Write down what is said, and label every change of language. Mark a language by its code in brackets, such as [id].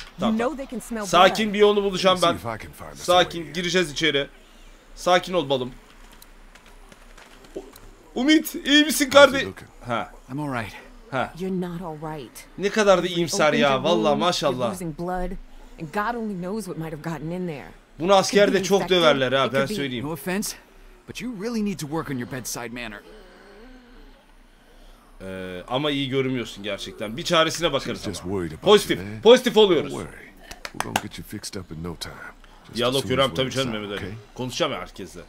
[en] You know they can smell blood. [tr] Sakin, bir yolunu bulacağım ben. Sakin, gireceğiz içeri. Sakin ol balım. Ümit, iyi misin kardeşim? [en] Ha. I'm all right. Ha. You're not all right. [tr] Ne kadar da iyimser ya. Vallahi maşallah. [en] And God only knows what might have gotten in there. [tr] Bunu asker de çok döverler ha, ben söyleyeyim. [en] No offense, but you really need to work on your bedside manner. [tr] Ama iyi görünmüyorsun gerçekten. Bir çaresine bakarız ama. Pozitif, pozitif oluyoruz. [en] We're gonna get you fixed up in no time. [tr] Diyalog yürüyorum tabii canım Mehmet Ali. Konuşacağım ya herkesle.